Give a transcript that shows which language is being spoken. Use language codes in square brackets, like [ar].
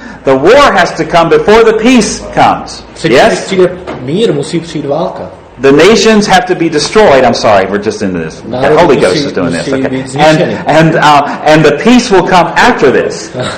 [en] The war has to come before the peace comes. Yes? [cs] Předtím, než mír, musí přijít válka. [en] The nations have to be destroyed. I'm sorry, we're just into this. The Holy Ghost is doing this. Okay. And the peace will come after this.